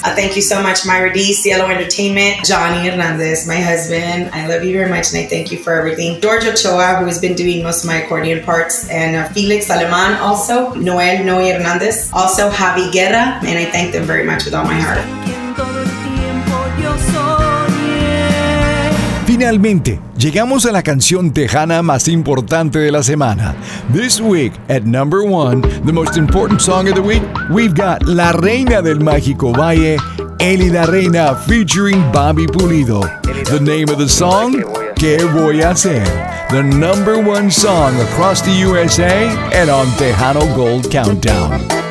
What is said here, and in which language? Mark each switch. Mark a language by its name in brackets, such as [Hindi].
[English] Thank you so much, Myra D, Cielo Entertainment, Johnny Hernandez, my husband. I love you very much, and I thank you for everything. George Ochoa, who has been doing most of my accordion parts, and Felix Aleman also, Noel Noe Hernandez, also Javi Guerra, and I thank them very much with all my heart. [Spanish] Finalmente, llegamos a la canción tejana más importante de la semana. [English] This week, at number one, the most important song of the week, we've got La Reina del Mágico Valle, Elida Reina featuring Bobby Pulido. The name of the song, ¿Qué Voy a Hacer? The number one song across the USA and on Tejano Gold Countdown.